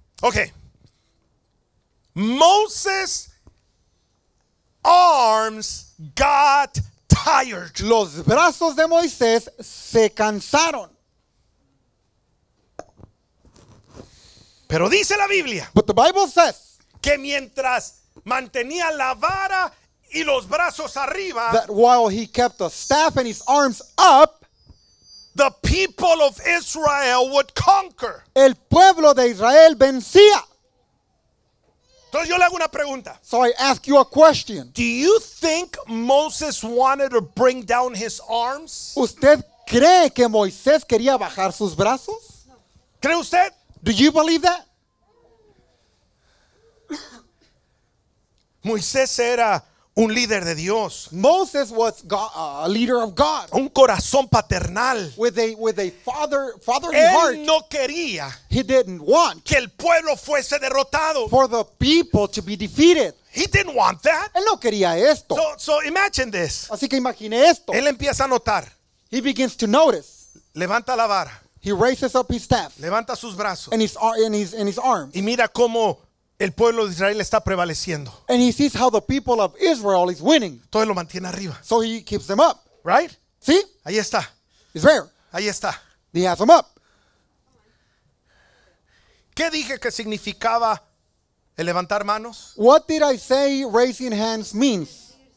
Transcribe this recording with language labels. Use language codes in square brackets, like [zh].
[en] Okay. Moses' arms got tired. [es] Los brazos de Moisés se cansaron. Pero dice la Biblia. [en] But the Bible says. [es] Que mientras mantenía la vara y los brazos arriba. [en] That while he kept the staff and his arms up. The people of Israel would conquer. [es] El pueblo de Israel vencía. Entonces yo le hago una pregunta. [en] So I ask you a question. Do you think Moses wanted to bring down his arms? [es] ¿Usted cree que Moisés quería bajar sus brazos? No. ¿Cree usted? [en] Do you believe that? [es] Moisés era un líder de Dios. [en] Moses was God, a leader of God. [es] Un corazón paternal. [en] With a fatherly heart. [es] Él no quería. [en] He didn't want [es] que el pueblo fuese derrotado. [en] For the people to be defeated. He didn't want that. [es] Él no quería esto. [en] So imagine this. [es] Así que imagine esto. Él empieza a notar. [en] He begins to notice. [es] Levanta la vara. [en] He raises up his staff. [es] Levanta sus brazos. [en] And his arms. [es] Y mira cómo el pueblo de Israel está prevaleciendo. [en] And he sees how the people of Israel is winning. [es] Todo lo mantiene arriba. [en] So he keeps them up. Right? [es] ¿Sí? Ahí está. [en] It's rare. [es] Ahí está. [en] He has them up. [es] ¿Qué dije que significaba el levantar manos? [en] What did I say raising hands means?